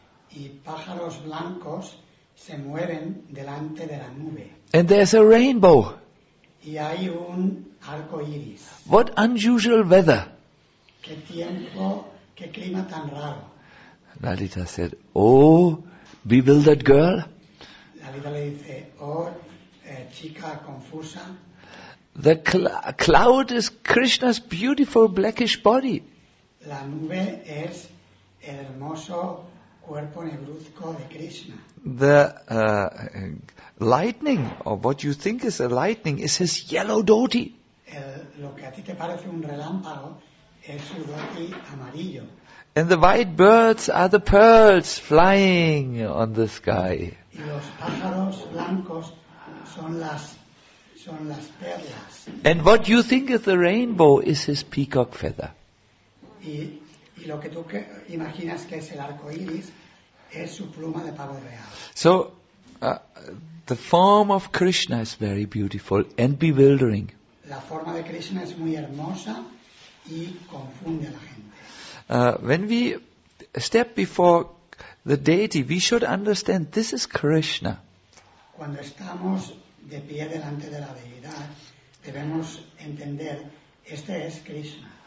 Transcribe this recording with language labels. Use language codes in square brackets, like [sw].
[es] Y pájaros blancos se mueven delante de la nube. [en] And there's a rainbow. [es] Y hay un arco iris. [en] What unusual weather. [es] Qué tiempo, qué clima tan raro. [en] Lalita said, "Oh, bewildered girl." [es] Lalita le dice, "Oh, chica confusa." [en] The cloud is Krishna's beautiful blackish body. [es] La nube es el hermoso cuerpo negruzco de Krishna. [en] The lightning, or what you think is a lightning, is his yellow dhoti. [es] Lo que a ti te parece un relámpago es su dhoti amarillo. [en] And the white birds are the pearls flying on the sky. [es] Y los pájaros blancos son las perlas. [en] And what you think is the rainbow is his peacock feather. [es] Y lo que tú imaginas que es el arco iris es su pluma de pavo real. [en] So, the form of Krishna is very beautiful and bewildering. [es] La forma de Krishna es muy hermosa y confunde a la gente. [en] When we step before the deity, we should understand this is Krishna. [es] Cuando estamos de pie delante de la deidad, debemos entender este es Krishna.